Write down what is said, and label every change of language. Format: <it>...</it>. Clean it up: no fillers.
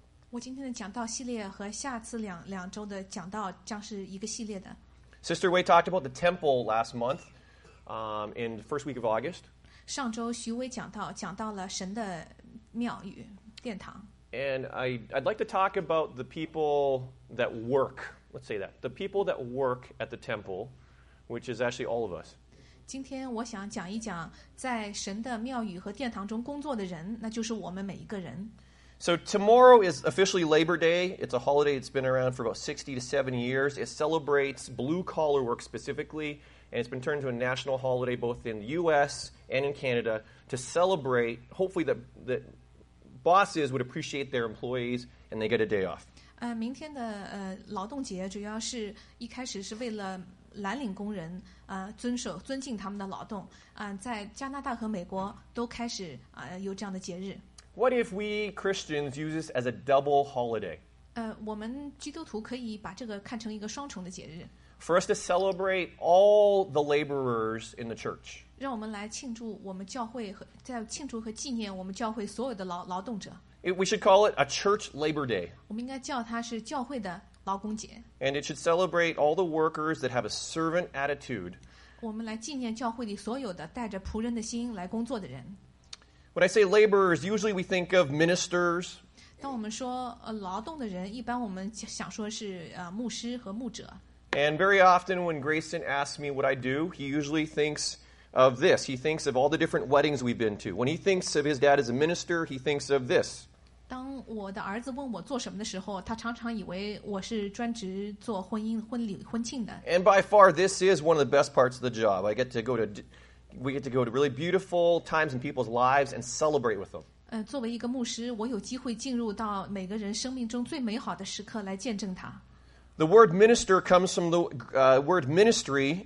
<zh>我今天的讲道系列和下次两周的讲道将是一个系列的。</zh> <en>Sister Wei talked about the temple last month, in the first week of August.</en> <zh>上周徐威讲到了神的庙宇殿堂。</zh> <en>And I'd like to talk about the people that work. Let's say that the people that work at the temple. Which is actually all of us.</en> <zh>今天我想讲一讲在神的庙宇和殿堂中工作的人，那就是我们每一个人。</zh> <en>So tomorrow is officially Labor Day. It's a holiday that's been around for about 60 to 70 years. It celebrates blue-collar work specifically, and it's been turned to a national holiday both in the U.S. and in Canada to celebrate, hopefully, that bosses would appreciate their employees and they get a day off.</en> <zh>明天的劳动节主要是一开始是为了蓝领工人尊敬他们的劳动在加拿大和美国都开始有这样的节日。</zh> <en>What if we Christians use this as a double holiday?</en> <zh>我们基督徒可以把这个看成一个双重的节日。</zh> <en>For us to celebrate all the laborers in the church.</en> <zh>让我们来庆祝我们教会和在庆祝和纪念我们教会所有的劳动者。</zh> <en>We should call it a church labor day.</en> <zh>我们应该叫它是教会的</zh> <en>And it should celebrate all the workers that have a servant attitude.</en> <zh>我们来纪念教会里所有的带着仆人的心来工作的人。</zh> <en>When I say laborers, usually we think of ministers.</en> <zh>当我们说劳动的人，一般我们想说是牧师和牧者。</zh> <en>And very often when Grayson asks me what I do, he usually thinks of this. He thinks of all the different weddings we've been to. When he thinks of his dad as a minister, he thinks of this.</en> <zh>当我的儿子问我做什么的时候，他常常以为我是专职做婚姻、婚礼、婚庆的。</zh> <en>And by far, this is one of the best parts of the job. I get to go to We get to go to really beautiful times in people's lives and celebrate with them.</en> <zh>作为一个牧师，我有机会进入到每个人生命中最美好的时刻来见证他。</zh> <en>The word minister comes from the word ministry.</en>